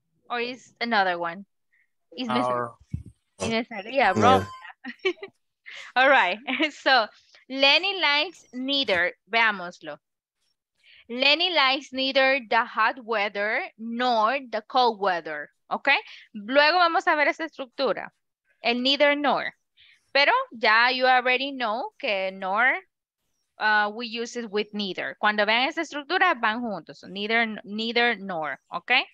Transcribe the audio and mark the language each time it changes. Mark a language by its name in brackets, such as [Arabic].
[English] Or is another one? All right, so Lenny likes neither, [Spanish] veámoslo. [English] Lenny likes neither the hot weather nor the cold weather, ¿ok? [Spanish] Luego vamos a ver esa estructura, el neither nor. Pero ya [English] you already know que nor, we use it with neither. [Spanish] Cuando vean esa estructura van juntos, neither nor, ¿ok?